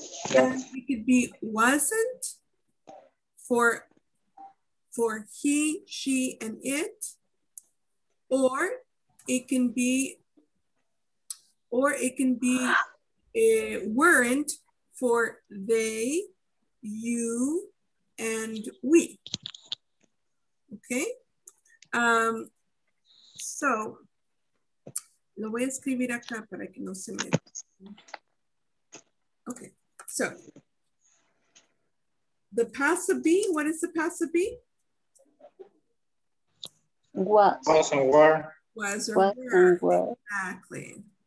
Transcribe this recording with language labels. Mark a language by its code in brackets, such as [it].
[en] Yeah. It could be wasn't for he, she, and it, or it can be, weren't for they, you, and we. Okay? [es] So, lo voy a escribir acá para que no se me... [en] Okay, so the passive be, what is the passive be? Was and were. Was or were. Exactly.